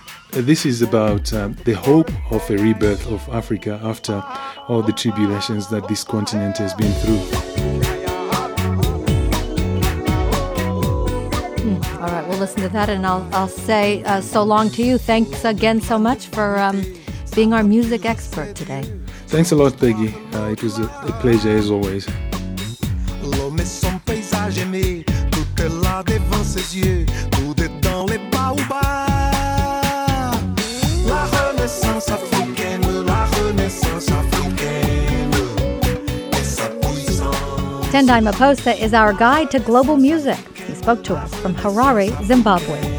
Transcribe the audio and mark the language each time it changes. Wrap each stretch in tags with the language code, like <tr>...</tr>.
<en>This is about the hope of a rebirth of Africa after all the tribulations that this continent has been through. Listen to that, and I'll say so long to you. Thanks again so much for being our music expert today. Thanks a lot, Peggy. It was a pleasure as always.</en> <fr>L'homme et son paysage aimé, tout est là devant ses yeux, tout est dans les baobabs. La renaissance africaine, la renaissance africaine, et sa puissance.</fr> <en>Tendai Maposa is our guide to global music. Spoke to us from Harare, Zimbabwe.</en>